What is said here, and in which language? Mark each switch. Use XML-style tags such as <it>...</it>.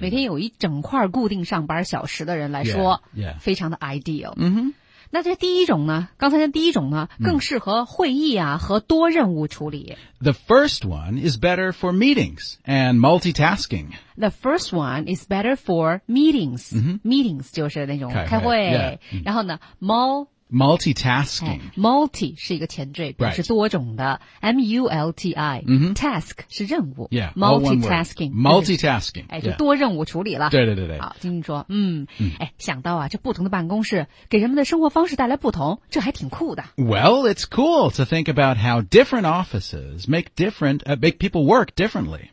<zh>每天有一整块固定上班小时的人来说</zh> <en>yeah, yeah.</en> <zh>非常的 ideal. 嗯哼。那这第一种呢刚才的第一种呢更适合会议啊、嗯、和多任务处理。</zh> <en>The first one is better for meetings and multitasking. The first one is better for meetings.、</en> <zh>嗯、 meetings 就是那种开会。开会</zh> <en>yeah,</en> <zh>然后呢、</zh> <en>嗯、Multitasking.、</en> <zh>哎、multi 是一个前缀表示多种的。</zh> <en>Right. M-U-L-T-I.、</en> <zh>嗯、 task 是任务。</zh> <en>Yeah, multitasking. Multitasking.</en> <zh>哎就多任务处理了。对对对对。好听你说 嗯, 嗯哎想到啊这不同的办公室给人们的生活方式带来不同这还挺酷的。</zh> <en>Well, it's cool to think about how different offices make different,、make people work differently.</en>